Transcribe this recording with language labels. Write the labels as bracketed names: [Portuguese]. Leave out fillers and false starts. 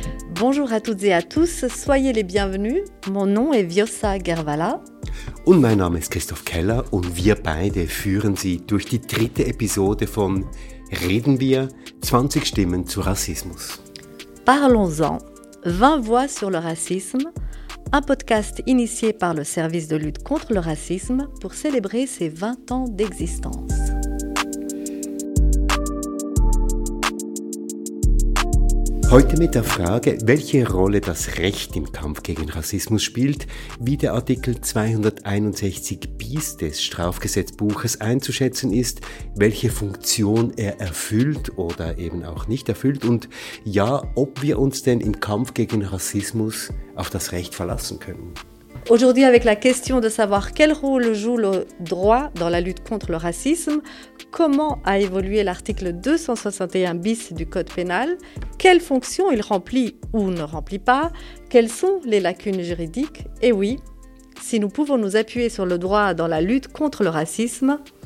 [French] Bonjour à toutes et à tous, soyez les bienvenus. Mon nom est Vjosa Gervala. [German] Und mein Name ist Christoph Keller und wir beide führen Sie durch die dritte Episode von Reden wir 20 Stimmen zu Rassismus. [French] Parlons-en, 20 voix sur le racisme, un podcast initié par le service de lutte contre le racisme pour célébrer ses 20 ans d'existence. [German] Heute mit der Frage, welche Rolle das Recht im Kampf gegen Rassismus spielt, wie der Artikel 261 bis des Strafgesetzbuches einzuschätzen ist, welche Funktion er erfüllt oder eben auch nicht erfüllt und ja, ob wir uns denn im Kampf gegen Rassismus auf das Recht verlassen können. [French] Aujourd'hui, avec la question de savoir quel rôle joue le droit dans la lutte contre le racisme, comment a évolué l'article 261 bis du Code pénal, quelle fonction il remplit ou ne remplit pas, quelles sont les lacunes juridiques, et oui, si nous pouvons nous appuyer sur le droit dans la lutte contre le racisme.